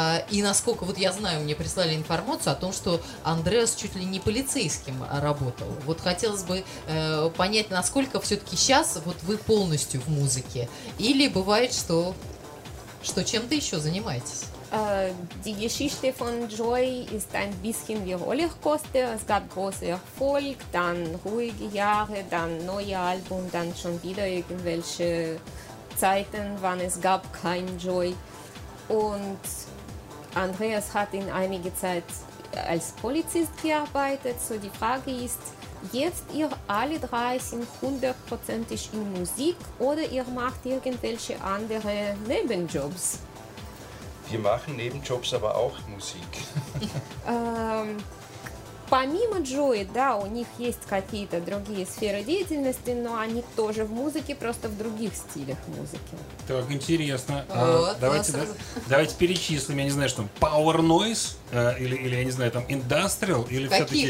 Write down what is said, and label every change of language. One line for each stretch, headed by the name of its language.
Russian: И насколько вот я знаю, мне прислали информацию о том, что Андреас чуть ли не полицейским работал. Вот хотелось бы понять, насколько все-таки сейчас вот вы полностью в музыке. Или бывает, что чем-то еще занимаетесь?
German: Die Geschichte von Joy ist ein bisschen wie Rollercoaster. Es gab großen Erfolg, dann ruhige Jahre, dann neue Album, dann schon wieder irgendwelche Zeiten, wann es gab kein Joy. Und Andreas hat in einiger Zeit als Polizist gearbeitet. So die Frage ist, jetzt ihr alle drei sind hundertprozentig in Musik oder ihr macht irgendwelche andere Nebenjobs? Wir machen neben Jobs aber auch Musik.
Russian: Помимо Joy, да, у них есть какие-то другие сферы деятельности, но они тоже в музыке, просто в других стилях музыки. Так, интересно. Давайте перечислим, я не знаю, что там, Power Noise, или, я не знаю, там, Industrial, или все-таки...